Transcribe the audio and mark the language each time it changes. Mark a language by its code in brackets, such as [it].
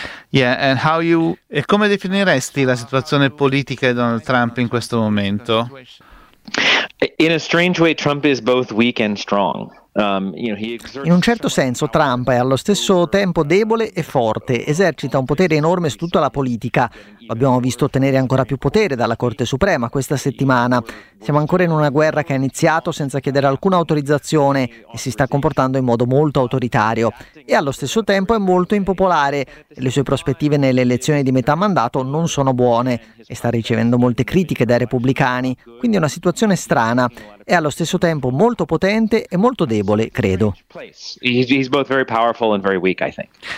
[it] E come definiresti la situazione politica di Donald Trump in questo momento? [en] In a strange way, Trump is both weak and strong. [it] In un certo senso Trump è allo stesso tempo debole e forte, esercita un potere enorme su tutta la politica. Abbiamo visto ottenere ancora più potere dalla Corte Suprema questa settimana. Siamo ancora in una guerra che ha iniziato senza chiedere alcuna autorizzazione e si sta comportando in modo molto autoritario. E allo stesso tempo è molto impopolare. Le sue prospettive nelle elezioni di metà mandato non sono buone e sta ricevendo molte critiche dai repubblicani. Quindi è una situazione strana. È allo stesso tempo molto potente e molto debole. Debole, credo. [en] He's both very powerful and very weak, I think.